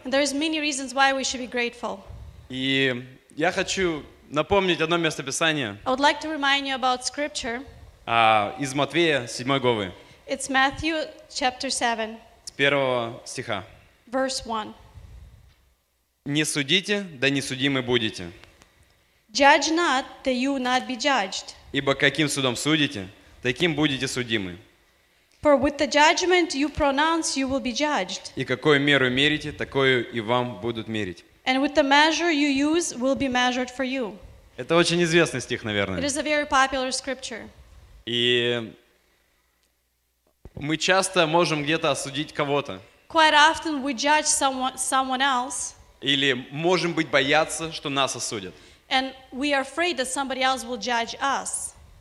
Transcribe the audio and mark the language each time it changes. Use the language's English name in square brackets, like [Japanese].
[English] And there is many reasons why we should be grateful. [Russian] И я хочу напомнить одно место Писания. [English] I would like to remind you about scripture. [Russian] Из Матфея, 7 главы. [English] It's Matthew chapter 7. [Russian] С первого стиха. [English] Verse 1. [Russian] Не судите, да не судимы будете. [English] Judge not, that you not be judged. [Russian] Ибо каким судом судите, таким будете судимы. [English] For with the judgment you pronounce, you will be judged. [Russian] И какую меру мерите, такую и вам будут мерить. [English] And with the measure you use will be measured for you. [Russian] Это очень известный стих, наверное. [English] It is a very popular scripture. [Russian] И мы часто можем где-то осудить кого-то. [English] Quite often we judge someone else. [Russian] Или можем быть бояться, что нас осудят. [English] And we are afraid that somebody else will judge us.